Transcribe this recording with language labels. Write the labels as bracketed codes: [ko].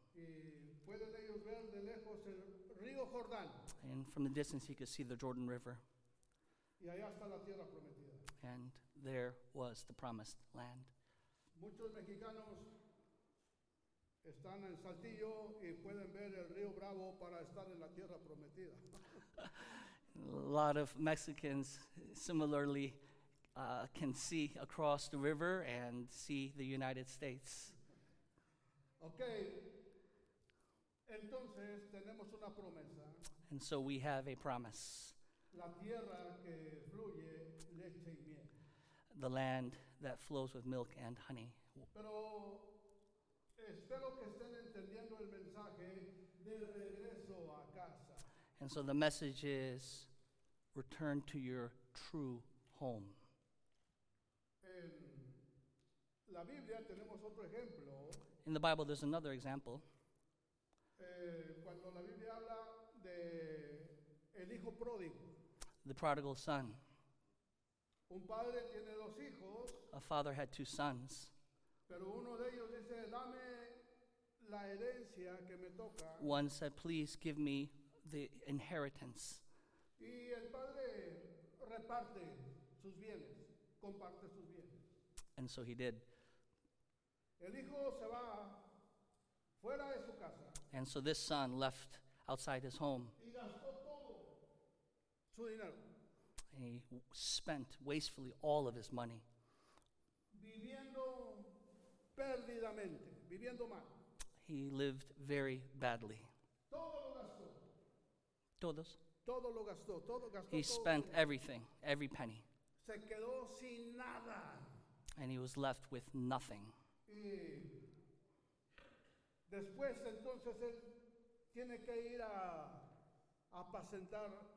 [es] Y pueden ellos ver de lejos el río Jordán. [en] And from the distance he could see the Jordan River. [es] Y allá está la tierra prometida. [en] And there was the promised land. [es] Muchos mexicanos están en Saltillo y pueden ver el río Bravo para estar en la tierra prometida. [en] A lot of Mexicans similarly can see across the river and see the United States. Okay. [es] Entonces tenemos una promesa. [en] And so we have a promise. [es] La tierra que fluye leche y miel. [en] The land that flows with milk and honey. [es] Pero espero que estén entendiendo el mensaje de regreso a casa. [en] And so the message is, return to your true home. [es] En la Biblia tenemos otro ejemplo. [en] In the Bible there's another example. [es] Cuando la Biblia habla de el hijo pródigo. [en] The prodigal son. [es] Un padre tiene dos hijos, [en] a father had two sons. [es] Pero uno de ellos dice, dame la herencia que me toca. [en] One said, please give me the inheritance. [es] Y el padre reparte sus bienes, comparte sus bienes. [en] And so he did. [es] El hijo se va fuera de su casa. [en] And so this son left outside his home. [es] Y gastó todo. Su dinero. [en] And he spent wastefully all of his money. [es] Viviendo perdidamente, viviendo mal. [en] He lived very badly. [es] Todo lo gastó. Todos. Todo lo gastó. Todo gastó. [en] He spent everything, every penny. [es] Se quedó sin nada. [en] And he was left with nothing. [es] Y después entonces él tiene que ir a apacentar.